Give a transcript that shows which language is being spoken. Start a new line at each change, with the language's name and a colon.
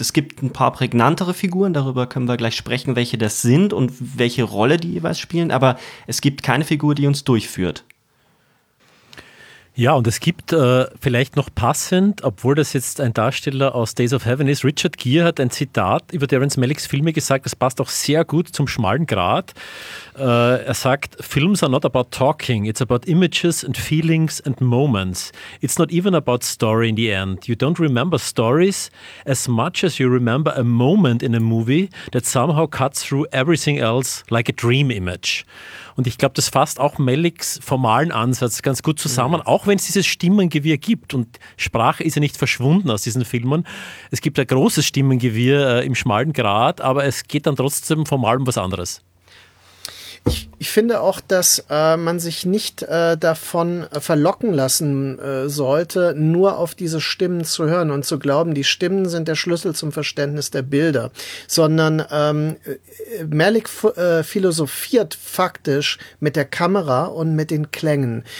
German: Es gibt ein paar prägnantere Figuren, darüber können wir gleich sprechen, welche das sind und welche Rolle die jeweils spielen, aber es gibt keine Figur, die uns durchführt. Ja, und es gibt vielleicht noch passend, obwohl das jetzt ein Darsteller aus Days of Heaven ist, Richard Gere hat ein Zitat über Terrence Malicks Filme gesagt, das passt auch sehr gut zum schmalen Grat. Er sagt,
English: Films are not about talking, it's about images and feelings and moments. It's not even about story in the end. You don't remember stories as much as you remember a moment in a movie that somehow cuts through everything else like a dream image.
German: Und ich glaube, das fasst auch Malicks formalen Ansatz ganz gut zusammen, auch wenn es dieses Stimmengewirr gibt. Und Sprache ist ja nicht verschwunden aus diesen Filmen. Es gibt ein großes Stimmengewirr im schmalen Grat, aber es geht dann trotzdem formal um was anderes. Ich finde auch, dass man sich nicht davon verlocken lassen sollte, nur auf diese Stimmen zu hören und zu glauben, die Stimmen sind der Schlüssel zum Verständnis der Bilder, sondern Malick philosophiert faktisch mit der Kamera und mit den Klängen.